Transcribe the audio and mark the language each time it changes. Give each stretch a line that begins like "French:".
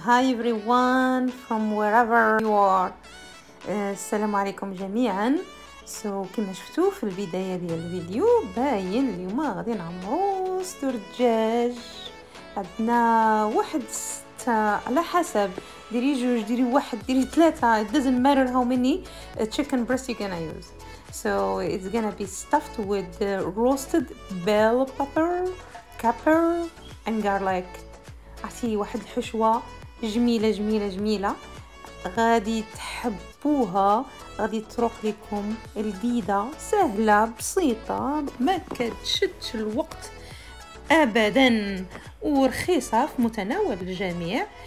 English: Hi everyone from wherever you are. Assalamu alaikum
Arabic: جميعا. So كما شفتوا في البداية ديال الفيديو باين اليوم غادي نعمرو سطور الدجاج. عندنا واحد ستة على حسب، ديري جوج ديري واحد ديري ثلاثة،
English: it doesn't matter how many chicken breasts you're gonna use. So it's gonna be stuffed with roasted bell pepper, capper and garlic.
Arabic: عطي واحد الحشوة جميلة جميلة جميلة، غادي تحبوها، غادي تروق لكم، الديدة سهلة بسيطة، ما كتشدش الوقت أبدا ورخيصة في متناول الجميع.